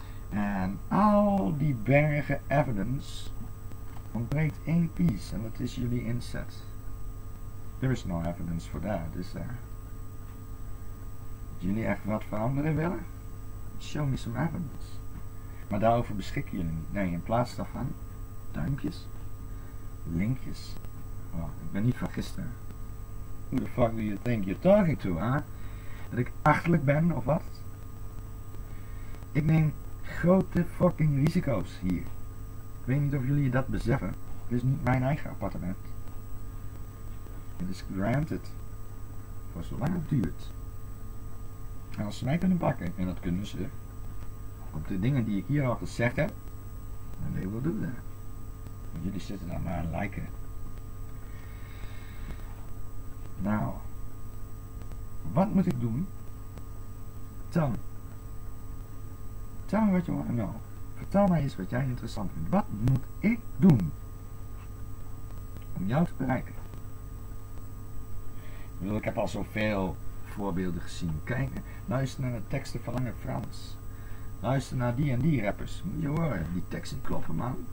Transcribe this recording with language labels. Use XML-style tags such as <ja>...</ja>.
<nl>En al die bergen evidence ontbreekt één piece en dat is jullie inzet.</nl> <en>There is no evidence for that, is there?</en> <nl>jullie echt wat van anderen willen?</nl> <en>Show me some evidence.</en> <nl>Maar daarover beschikken jullie niet. Nee, in plaats daarvan, duimpjes, linkjes. Oh, ik ben niet van gisteren.</nl> <en>Who the fuck do you think you're talking to, huh?</en> <nl>Dat ik achterlijk ben, of wat? Ik neem grote fucking risico's hier. Ik weet niet of jullie dat beseffen. Dit is niet mijn eigen appartement. Het is granted. Voor zolang het duurt. En als ze mij kunnen pakken, en dat kunnen ze, op de dingen die ik hier al gezegd heb, dan</nl> <en>they will do that.</en> <nl>Want jullie zitten daar maar aan lijken. Nou, wat moet ik doen?</nl> <en>Tell me what you want to know.</en> <nl>Vertel mij eens wat jij interessant vindt. Wat moet ik doen om jou te bereiken? Ik heb al zoveel voorbeelden gezien. Kijk, luister naar de teksten van Lange Frans. Luister naar die en die rappers. Moet je horen, die teksten kloppen, man.</nl>